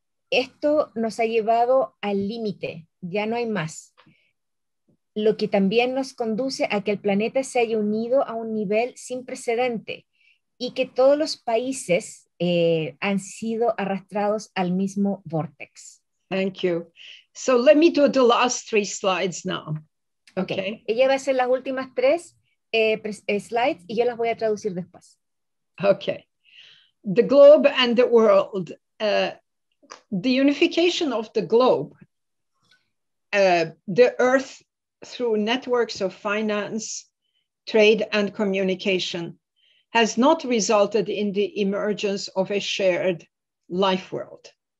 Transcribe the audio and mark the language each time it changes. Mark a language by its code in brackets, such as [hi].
[es] Esto nos ha llevado al límite, ya no hay más. Lo que también nos conduce a que el planeta se haya unido a un nivel sin precedente y que todos los países han sido arrastrados al mismo vortex. [en] Thank you. So let me do the last three slides now. Okay. Okay. [es] Ella va a hacer las últimas tres slides y yo las voy a traducir después. [en] Okay. The globe and the world. The unification of the globe, the earth through networks of finance, trade, and communication has not resulted in the emergence of a shared life world.